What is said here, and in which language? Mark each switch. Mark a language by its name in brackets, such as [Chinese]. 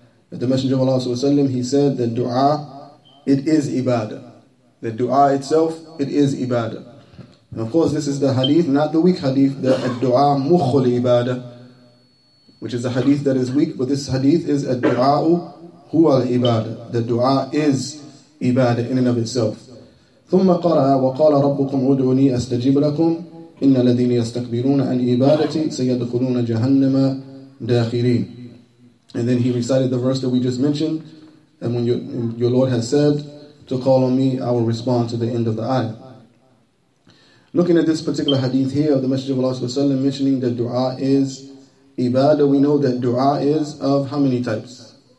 [English] That the Messenger of Allah sallallahu alayhi wa sallam, he said that dua, it is ibadah. That dua itself, it is ibadah. And of course, this is the hadith, not the weak hadith, the ad-du'a mukhul ibadah, which is a hadith that is weak, but this hadith is [Arabic] ad-du'a'u huwa al-ibadah. [English] The du'a is ibadah in and of itself. [Arabic] ثم قرأ وقال ربكم ادعوني استجب لكم إن الذين يستكبرون عن عبادتي سيدخلون جهنم داخرين. [English] And then he recited the verse that we just mentioned, and when your Lord has said to call on me, I will respond to the end of the ayah. Looking at this particular hadith here of the Messenger of Allah Sallallahu Alaihi Wasallam mentioning that du'a is ibadah, we know that du'a is of how many types?